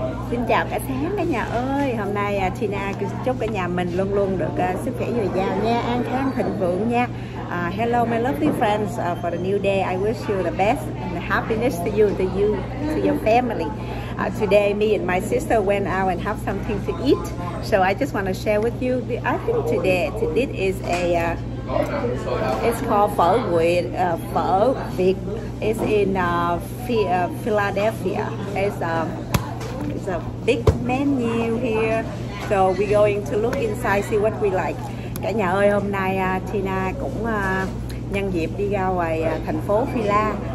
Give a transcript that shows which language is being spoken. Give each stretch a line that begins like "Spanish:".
Vietnamese: Xin chào cả sáng cả nhà ơi. Hôm nay Tina chúc cả nhà mình luôn luôn được sức khỏe dồi dào nha, an khang thịnh vượng nha.
English: Hello my lovely friends, for the new day I wish you the best and the happiness to you, to you, to your family. Today me and my sister went out and have something to eat. So I just want to share with you the, I think today this is a it's called phở Việt, phở Việt. It's in Philadelphia. It's a big menu here. So we're going to look inside, see what we like.
Vietnamese: Cả nhà ơi, hôm nay Tina cũng nhân dịp đi ra ngoài thành phố Phila.